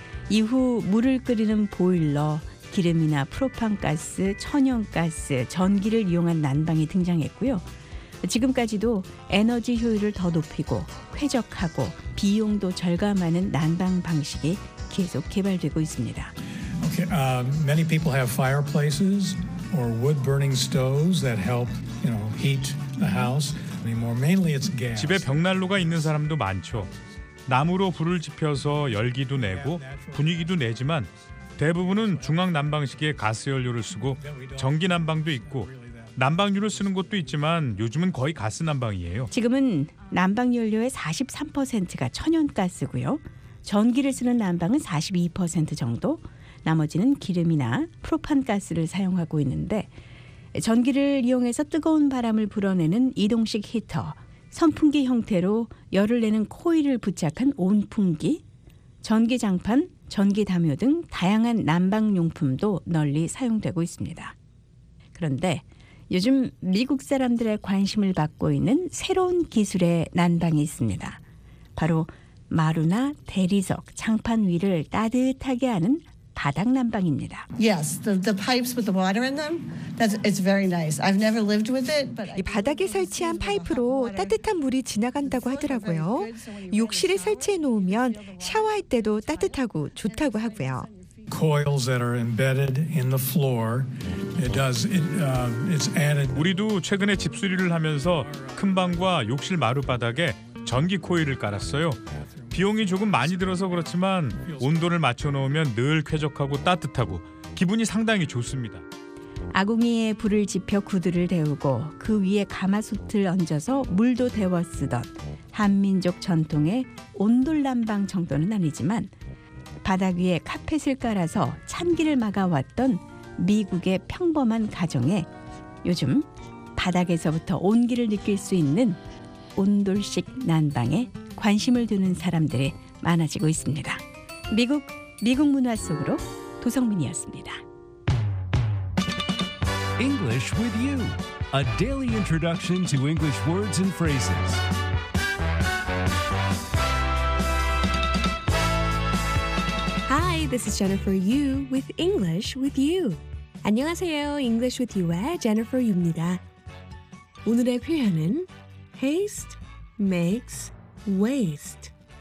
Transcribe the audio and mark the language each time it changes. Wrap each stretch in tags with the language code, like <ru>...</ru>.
<ko>이후 물을 끓이는 보일러, 기름이나 프로판가스, 천연가스, 전기를 이용한 난방이 등장했고요. 지금까지도 에너지 효율을 더 높이고 쾌적하고 비용도 절감하는 난방 방식이 계속 개발되고 있습니다.</ko> <en>Okay, many people have fireplaces or wood burning stoves that help, you know, heat the house. Anymore, mainly it's gas.</en> <ko>집에 벽난로가 있는 사람도 많죠. 나무로 불을 지펴서 열기도 내고 분위기도 내지만 대부분은 중앙 난방식의 가스 연료를 쓰고 전기 난방도 있고 난방유를 쓰는 곳도 있지만 요즘은 거의 가스 난방이에요. 지금은 난방 연료의 43%가 천연가스고요. 전기를 쓰는 난방은 42% 정도. 나머지는 기름이나 프로판가스를 사용하고 있는데 전기를 이용해서 뜨거운 바람을 불어내는 이동식 히터, 선풍기 형태로 열을 내는 코일을 부착한 온풍기, 전기장판, 전기담요 등 다양한 난방용품도 널리 사용되고 있습니다. 그런데 요즘 미국 사람들의 관심을 받고 있는 새로운 기술의 난방이 있습니다. 바로 마루나 대리석, 장판 위를 따뜻하게 하는 바닥 난방입니다.</ko> <en>Yes, the pipes with the water in them. It's very nice. I've never lived with it, but</en> <ko>이 바닥에 설치한 파이프로 따뜻한 물이 지나간다고 하더라고요. 욕실에 설치해 놓으면 샤워할 때도 따뜻하고 좋다고 하고요.</ko> <en>Coils that are embedded in the floor. It does. It's added.</en> <ko>우리도 최근에 집 수리를 하면서 큰 방과 욕실 마루 바닥에 전기 코일을 깔았어요. 비용이 조금 많이 들어서 그렇지만 온도를 맞춰놓으면 늘 쾌적하고 따뜻하고 기분이 상당히 좋습니다. 아궁이에 불을 지펴 구두를 데우고 그 위에 가마솥을 얹어서 물도 데워 쓰던 한민족 전통의 온돌난방 정도는 아니지만 바닥 위에 카펫을 깔아서 찬기를 막아왔던 미국의 평범한 가정에 요즘 바닥에서부터 온기를 느낄 수 있는 온돌식 난방에 관심을 두는 사람들이 많아지고 있습니다. 미국 문화 속으로 도성민이었습니다.</ko> <en>English with you. A daily introduction to English words and phrases. Hi, this is Jennifer Yu with English with you.</en> <ko>안녕하세요. English with you의 Jennifer Yu입니다. 오늘의 표현은</ko> <en>haste makes waste.</en>